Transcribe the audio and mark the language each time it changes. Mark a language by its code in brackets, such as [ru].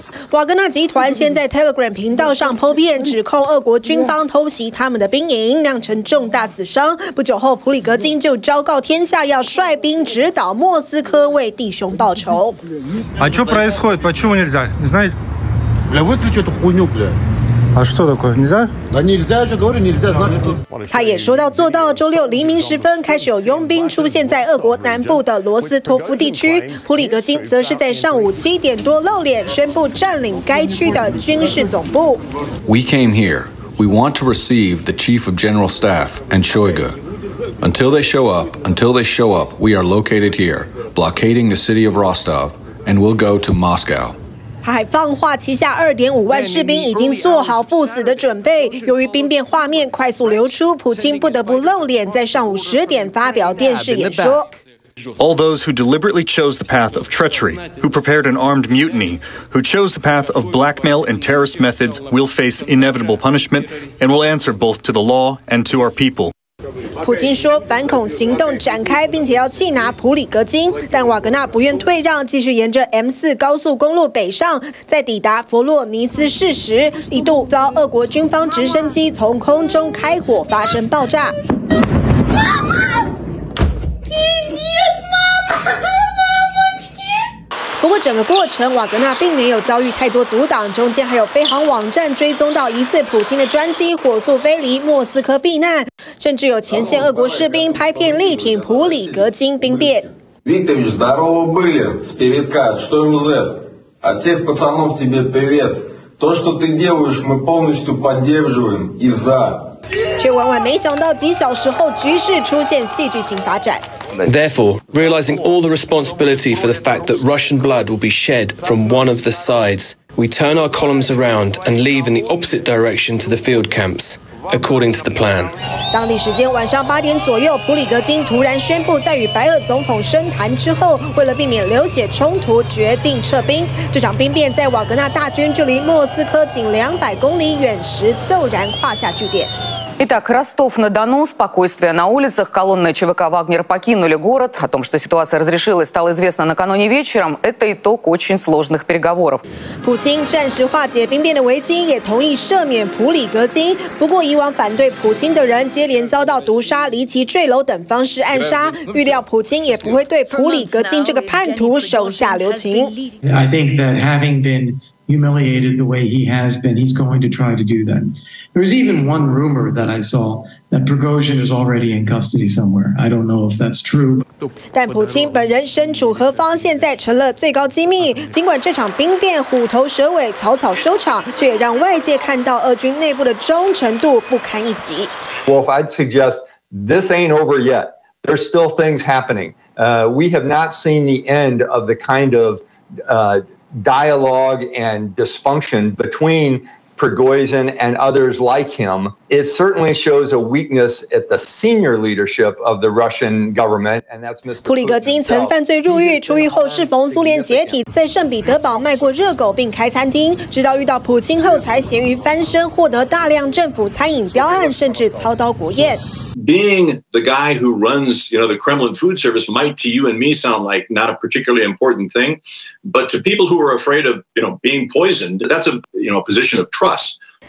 [zh] 瓦格纳集团先在 Telegram 频道上剖片，指控俄国军方偷袭他们的兵营，酿成重大死伤。不久后，普里格金就昭告天下，要率兵直捣莫斯科，为弟兄报仇。 [ru] А что происходит? Почему нельзя? Не знаю. Бля, выключи эту хуйню, бля. А что такое? Нельзя? Да нельзя, я же говорю, нельзя, значит... [zh] 他也说到做到，周六黎明时分开始有佣兵出现在俄国南部的罗斯托夫地区。普里格金则是在上午7点多露脸，宣布占领该区的军事总部。 [en] We came here. We want to receive the chief of general staff and Shoigu. Until they show up, we are located here, blockading the city of Rostov, and we'll go to Moscow. [zh] 他还放话，旗下2.5万士兵已经做好赴死的准备。由于兵变画面快速流出，普京不得不露脸，在上午10点发表电视演说。 [en] All those who deliberately chose the path of treachery, who prepared an armed mutiny, who chose the path of blackmail and terrorist methods, will face inevitable punishment and will answer both to the law and to our people. [zh] 普京说反恐行动展开，并且要缉拿普里格金，但瓦格纳不愿退让，继续沿着 M4 高速公路北上，在抵达佛洛尼斯市时，一度遭俄国军方直升机从空中开火发生爆炸。不过整个过程瓦格纳并没有遭遇太多阻挡，中间还有飞航网站追踪到疑似普京的专机火速飞离莫斯科避难，甚至有前线俄国士兵拍片力挺普里格金兵变。 [ru] Викторович, здорово были, с передка, что ему за это? От всех пацанов тебе привет. То, что ты делаешь, мы полностью поддерживаем и за. [zh] 却万万没想到，几小时后局势出现戏剧性发展。 [en] Therefore, realizing all the responsibility for the fact that Russian blood will be shed from one of the sides, we turn our columns around and leave in the opposite direction to the field camps, according to the plan. [zh] 当地时间晚上8点左右，普里格金突然宣布，在与白俄总统深谈之后，为了避免流血冲突，决定撤兵。这场兵变在瓦格纳大军距离莫斯科仅200公里远时，骤然画下句点。 [ru] Итак, Ростов-на-Дону, спокойствие на улицах, колонны ЧВК «Вагнер» покинули город. О том, что ситуация разрешилась, стало известно накануне вечером. Это итог очень сложных переговоров. [zh] Путин 暂时化解兵变的危机, 也同意赦免普里格金. 不过以往反对普京的人接连遭到毒杀, 离奇坠楼等方式暗杀, 预料普京也不会对普里格金这个叛徒手下留情. [en] I think that having been humiliated the way he has been, he's going to try to do that. There was even one rumor that I saw that Prigozhin is already in custody somewhere. I don't know if that's true. [zh] 但普京本人身处何方现在成了最高机密。尽管这场兵变虎头蛇尾草草收场, 却也让外界看到俄军内部的忠诚度不堪一击。 [en] Wolf, I'd suggest this ain't over yet. There's still things happening. We have not seen the end of the kind of dialogue and dysfunction between Prigozhin and others like him. It certainly shows a weakness at the senior leadership of the Russian government, and that's Mr. [zh] 普里格金曾犯罪入狱，出狱后适逢苏联解体，在圣彼得堡卖过热狗并开餐厅，直到遇到普京后才咸鱼翻身，获得大量政府餐饮标案，甚至操刀国宴。 [en] Being the guy who runs, you know, the Kremlin food service might to you and me sound like not a particularly important thing, but to people who are afraid of, you know, being poisoned, that's a, you know, a position of trust.